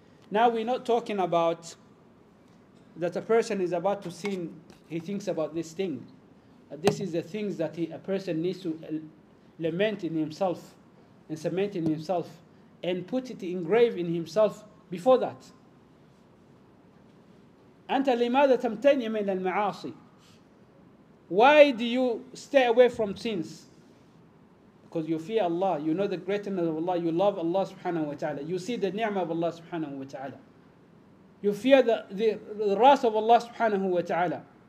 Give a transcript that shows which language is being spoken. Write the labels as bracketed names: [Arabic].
[English] Now we're not talking about that a person is about to sin, he thinks about this thing. This is the things that a person needs to lament in himself and cement in himself and put it engraved in himself before that. [Arabic] أنت لماذا تمتنع من المعاصي? [English] Why do you stay away from sins? Because you fear Allah, you know the greatness of Allah, you love Allah subhanahu wa ta'ala, you see the ni'mah of Allah subhanahu wa ta'ala. You fear the wrath of Allah subhanahu wa ta'ala.